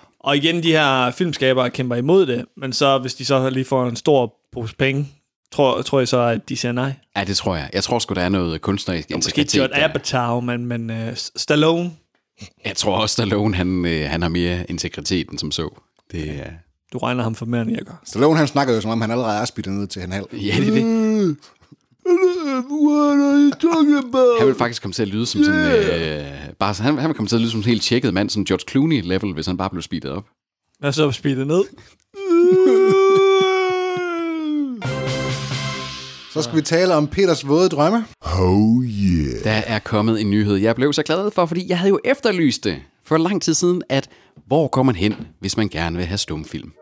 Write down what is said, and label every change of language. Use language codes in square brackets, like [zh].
[da] og igen, de her filmskabere kæmper imod det, men så hvis de så lige får en stor pose penge, Tror jeg så, at de siger nej? Ja, det tror jeg. Jeg tror sgu, der er noget kunstnerisk integritet. Måske George Apatow, men Stallone? Jeg tror også, Stallone han har mere integritet end som så. Det, okay. Du regner ham for mere, end jeg gør. Stallone han snakker jo, som om han allerede er spidtet ned til en halv. Ja, det er det. [en] What are you talking about? [da] Han vil faktisk komme til at lyde som sådan... Han vil komme til at lyde som en helt tjekket mand, sådan George Clooney-level, hvis han bare blev spidtet op. Hvad så spidtet ned? Så skal vi tale om Peters våde drømme. [en] Oh yeah. [da] Der er kommet en nyhed, jeg blev så glad for, fordi jeg havde jo efterlyst det for lang tid siden, at hvor går man hen, hvis man gerne vil have stumfilm?